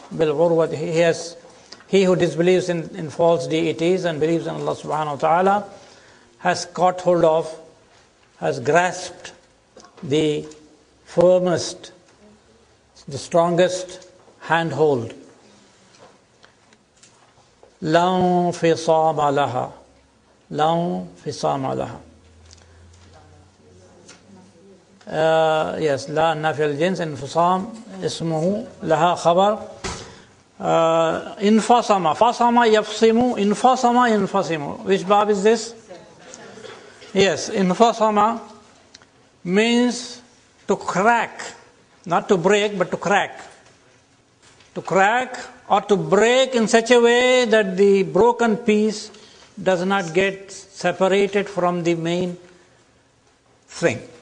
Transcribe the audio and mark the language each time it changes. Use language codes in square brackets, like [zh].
[en] بالعروة, he who disbelieves in false deities and believes in Allah subhanahu wa ta'ala has caught hold of, has grasped the firmest, the strongest handhold. [ar] لَنْ فِصَامَ لَهَا [en] yes, [ar] لا نفي الجنس انفصام اسمه لها خبر انفصم فصم يفصم انفصم ينفصم. [en] Which verb is this? Yes, انفصم means to crack, not to break, but to crack. To crack or to break in such a way that the broken piece does not get separated from the main thing.